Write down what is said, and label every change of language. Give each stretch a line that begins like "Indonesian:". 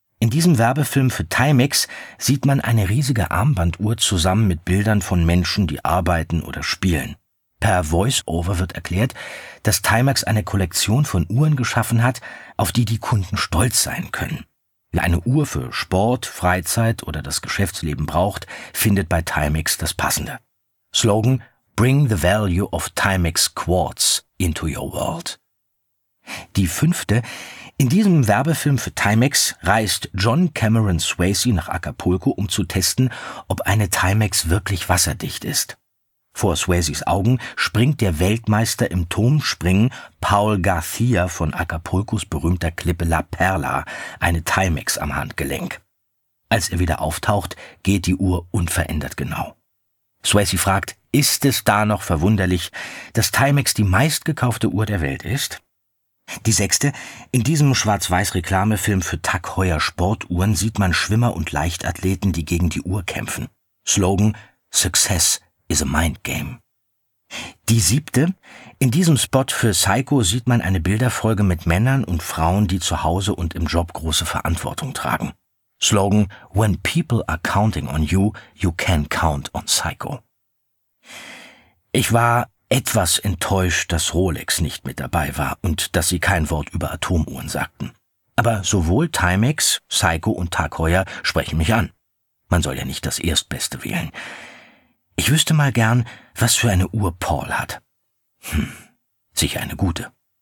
German: In diesem Werbefilm für Timex sieht man eine riesige Armbanduhr zusammen mit Bildern von Menschen, die arbeiten oder spielen. Per Voice-Over wird erklärt, dass Timex eine Kollektion von Uhren geschaffen hat, auf die die Kunden stolz sein können. Wer eine Uhr für Sport, Freizeit oder das Geschäftsleben braucht, findet bei Timex das Passende.
English: Slogan: Bring the value of Timex Quartz into your world.
German: Die fünfte: In diesem Werbefilm für Timex reist John Cameron Swayze nach Acapulco, um zu testen, ob eine Timex wirklich wasserdicht ist. Vor Swayzes Augen springt der Weltmeister im Turmspringen Paul Garcia von Acapulcos berühmter Klippe La Perla eine Timex am Handgelenk. Als er wieder auftaucht, geht die Uhr unverändert genau. Swayze fragt: Ist es da noch verwunderlich, dass Timex die meistgekaufte Uhr der Welt ist? Die sechste: In diesem Schwarz-Weiß-Reklamefilm für Tag Heuer Sportuhren sieht man Schwimmer und Leichtathleten, die gegen die Uhr kämpfen. Slogan:
English: Success is a mind game.
German: Die siebte: In diesem Spot für Seiko sieht man eine Bilderfolge mit Männern und Frauen, die zu Hause und im Job große Verantwortung tragen.
English: Slogan: When people are counting on you, you can count on Seiko.
German: Ich war etwas enttäuscht, dass Rolex nicht mit dabei war und dass sie kein Wort über Atomuhren sagten. Aber sowohl Timex, Seiko und Tag Heuer sprechen mich an. Man soll ja nicht das Erstbeste wählen. Ich wüsste mal gern, was für eine Uhr Paul hat. Sicher eine gute.